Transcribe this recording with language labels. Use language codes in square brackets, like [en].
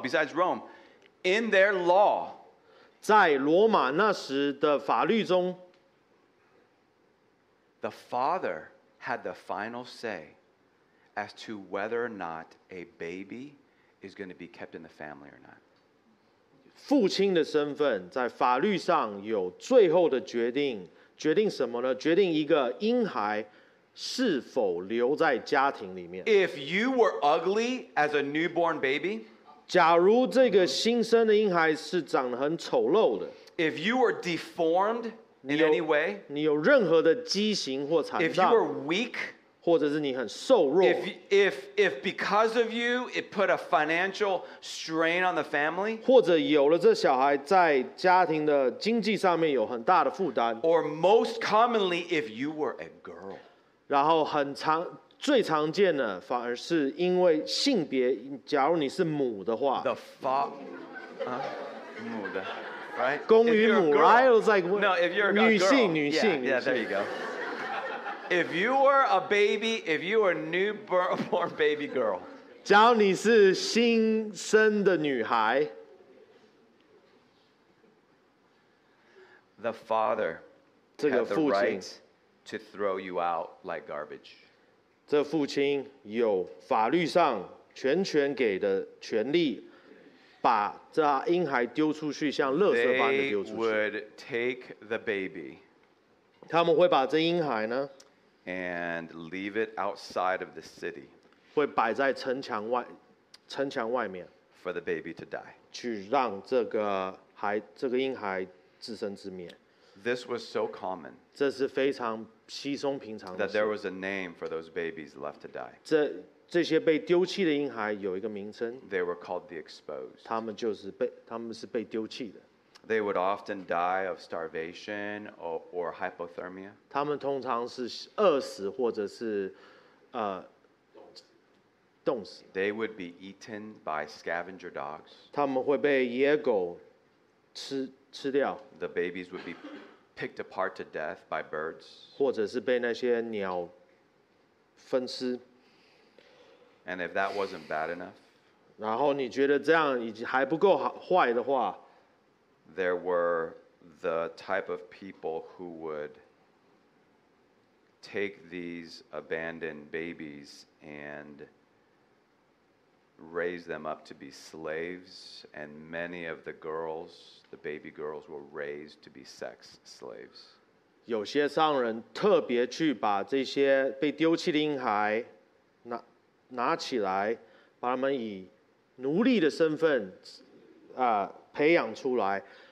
[en] Besides Rome, in their law, [zh] 在罗马那时的法律中 [en] ，the father had the final say. As to whether or not a baby is going to be kept in the family or not. [zh] 父亲的身份在法律上有最后的决定，决定什么呢？决定一个婴孩是否留在家庭里面。 [en] If you were ugly as a newborn baby, [zh] 假如这个新生的婴孩是长得很丑陋的。 [en] If you were deformed in any way, [zh] 你有任何的畸形或残障。 [en] If you were weak. [zh] 或者是你很瘦弱。 [en] If because of you it put a financial strain on the family， [zh] 或者有了这小孩在家庭的经济上面有很大的负担。 [en] Or most commonly if you were a girl， [zh] 然后最常见的反而是因为性别，假如你是母的话。 [en] The father， [zh] 母的 [en] ，right？ [zh] 公与母 [en] ，right？ [zh] 又在 [en] 问。No， if you're a girl， [zh] 女性 [en] yeah, there you go。 If you were a baby, if you were a newborn baby girl, [zh] 假如你是新生的女孩 [en] ，the father [zh] 这个父亲 [en] had the right to throw you out like garbage. [zh] 这父亲有法律上全权给的权利，把这婴孩丢出去，像垃圾般的丢出去。 [en] They would take the baby. [zh] 他们会把这婴孩呢？ [en] And leave it outside of the city. [zh] 会摆在城墙外面 [en] For the baby to die. [zh] 去让这个婴孩自生自灭。 [en] This was so common. [zh] 这是非常稀松平常的事。 [en] That there was a name for those babies left to die. [zh] 这些被丢弃的婴孩有一个名称。 [en] They were called the exposed. [zh] 他们是被丢弃的。 [en] They would often die of starvation or hypothermia. [zh] 他们通常是饿死或者是冻死。 [en] They would be eaten by scavenger dogs. [zh] 他们会被野狗吃掉。 [en] The babies would be picked apart to death by birds. [zh] 或者是被那些鸟分尸。 [en] And if that wasn't bad enough, [zh] 然后你觉得这样已经还不够坏的话。 [en] There were the type of people who would take these abandoned babies and raise them up to be slaves, and many of the girls, the baby girls, were raised to be sex slaves. [zh] 有些商人特别去把这些被丢弃的婴孩拿起来，把他们以奴隶的身份培养出来。